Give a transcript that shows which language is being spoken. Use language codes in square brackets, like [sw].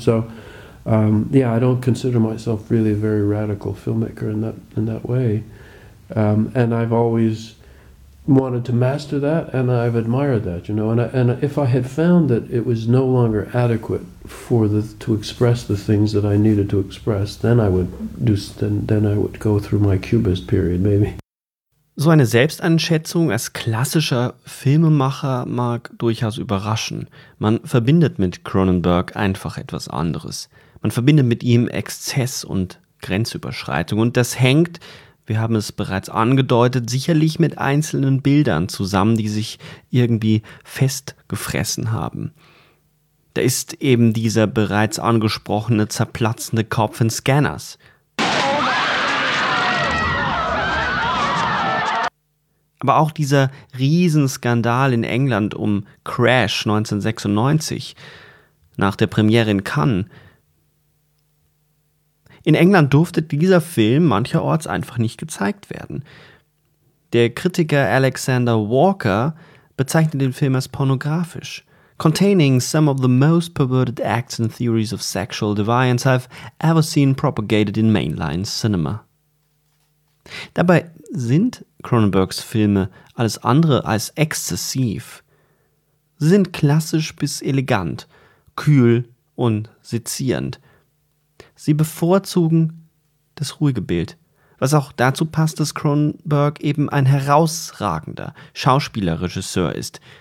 [en] So, yeah, I don't consider myself really a very radical filmmaker in that way, and I've always wanted to master that, and I've admired that, you know. And if I had found that it was no longer adequate to express the things that I needed to express, then I would go through my Cubist period, maybe. [de] So eine Selbstanschätzung als klassischer Filmemacher mag durchaus überraschen. Man verbindet mit Cronenberg einfach etwas anderes. Man verbindet mit ihm Exzess und Grenzüberschreitung, und das hängt, wir haben es bereits angedeutet, sicherlich mit einzelnen Bildern zusammen, die sich irgendwie festgefressen haben. Da ist eben dieser bereits angesprochene zerplatzende Kopf in Scanners. Aber auch dieser Riesenskandal in England um Crash 1996 nach der Premiere in Cannes. In England durfte dieser Film mancherorts einfach nicht gezeigt werden. Der Kritiker Alexander Walker bezeichnet den Film als pornografisch. [en] Containing some of the most perverted acts and theories of sexual deviance I've ever seen propagated in mainline cinema. [de] Dabei sind Cronenbergs Filme alles andere als exzessiv. Sie sind klassisch bis elegant, kühl und sezierend. Sie bevorzugen das ruhige Bild, was auch dazu passt, dass Cronenberg eben ein herausragender Schauspielerregisseur ist.